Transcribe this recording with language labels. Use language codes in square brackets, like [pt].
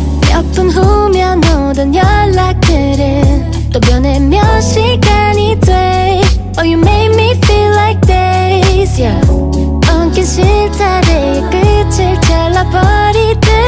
[ko] 몇 분 후면 오던 연락들은 또 변해. 시간이 돼. [en] Oh you made me feel like days. Yeah. [ko] 엉킨 실타래의 끝을 잘라버리듯.